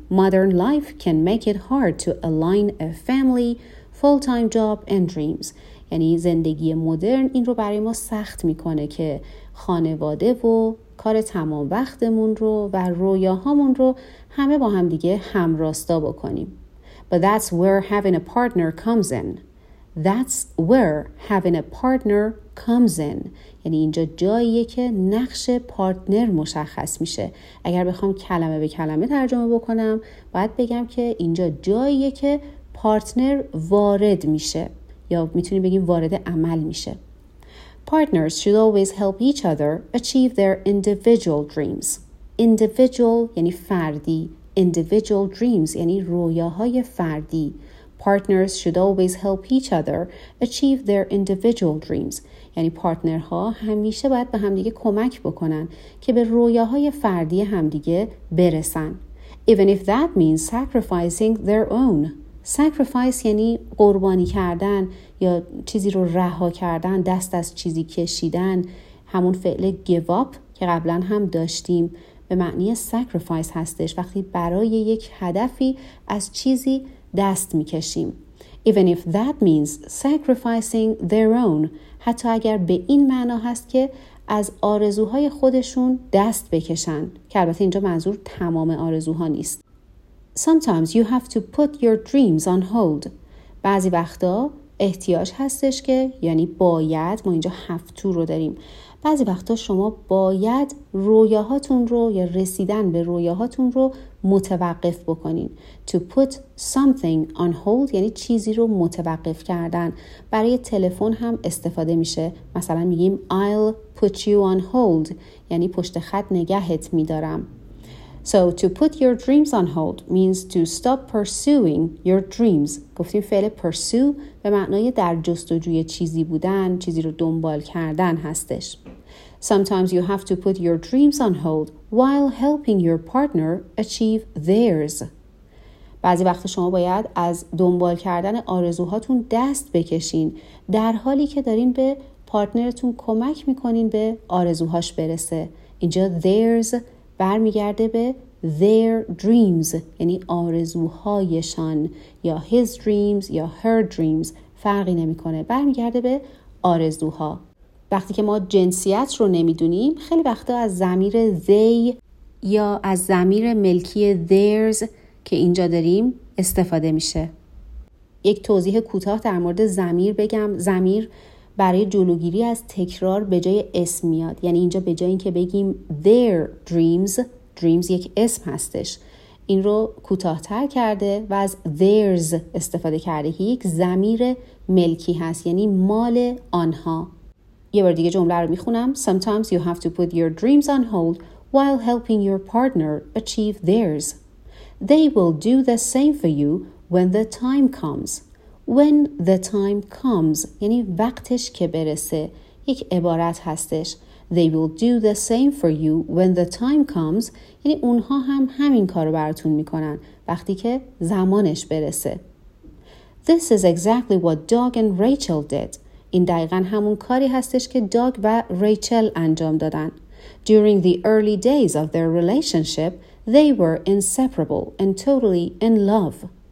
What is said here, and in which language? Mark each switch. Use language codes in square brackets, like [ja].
[en] Modern life can make it hard to align a family، full-time job and dreams. [fa] یعنی زندگی مدرن این رو برای ما سخت میکنه که خانواده و کار تمام وقتمون رو و رویاهامون رو همه با هم دیگه همراستا بکنیم. [en] But that's where having a partner comes in. That's where having a partner comes in. [fa] یعنی اینجا جاییه که نقش پارتنر مشخص میشه. اگر بخوام کلمه به کلمه ترجمه بکنم، باید بگم که اینجا جاییه که پارتنر وارد میشه، یا میتونیم بگیم وارد عمل میشه. [en] Partners should always help each other achieve their individual dreams. [fa] Individual یعنی فردی. [en] Individual dreams [fa] یعنی رویاهای فردی. [en] Partners should always help each other achieve their individual dreams. [fa] یعنی پارتنرها همیشه باید به همدیگه کمک بکنن که به رویاهای فردی همدیگه برسن. [en] Even if that means sacrificing their own. [fa] Sacrifice یعنی قربانی کردن یا چیزی رو رها کردن، دست از چیزی کشیدن. همون فعل give up که قبلا هم داشتیم به معنی sacrifice هستش، وقتی برای یک هدفی از چیزی دست میکشیم. [en] Even if that means sacrificing their own، [fa] حتی اگر به این معنا هست که از آرزوهای خودشون دست بکشن، که البته اینجا منظور تمام آرزوها نیست. [en] Sometimes you have to put your dreams on hold. [fa] بعضی وقتا احتیاج هستش که، یعنی باید، ما اینجا have to رو داریم، بعضی وقتا شما باید رویاهاتون رو یا رسیدن به رویاهاتون رو متوقف بکنین. [en] To put something on hold [fa] یعنی چیزی رو متوقف کردن. برای تلفن هم استفاده میشه. مثلا میگیم [en] I'll put you on hold [fa] یعنی پشت خط نگهت میدارم. [en] So to put your dreams on hold means to stop pursuing your dreams. [fa] گفتیم فعل pursue به معنای در جستجوی چیزی بودن، چیزی رو دنبال کردن هستش. [en] Sometimes you have to put your dreams on hold while helping your partner achieve theirs. [fa] بعضی وقتا شما باید از دنبال کردن آرزوهاتون دست بکشین در حالی که دارین به پارتنرتون کمک میکنین به آرزوهاش برسه. اینجا theirs برمیگرده به [en] their dreams [fa] یعنی آرزوهایشان، یا [en] his dreams [fa] یا [en] her dreams [fa] فرقی نمیکنه، برمیگرده به آرزوها. وقتی که ما جنسیت رو نمیدونیم خیلی وقتا از ضمیر they یا از ضمیر ملکی theirs که اینجا داریم استفاده میشه. یک توضیح کوتاه در مورد ضمیر بگم. ضمیر برای جلوگیری از تکرار به جای اسم میاد. یعنی اینجا به جای اینکه بگیم [en] their dreams، [fa] dreams یک اسم هستش، این رو کوتاه‌تر کرده و از theirs استفاده کرده که یک ضمیر ملکی هست، یعنی مال آنها. یه بار دیگه جمله رو میخونم. [en] Sometimes you have to put your dreams on hold while helping your partner achieve theirs. They will do the same for you when the time comes. When the time comes [fa] یعنی وقتش که برسه، یک عبارت هستش. [en] They will do the same for you when the time comes [fa] یعنی اونها هم همین کارو براتون میکنن وقتی که زمانش برسه. [en] This is exactly what Doug and Rachel did. [fa] این دقیقا همون کاری هستش که داگ و ریچل انجام دادن. [en] During the early days of their relationship they were inseparable and totally in love.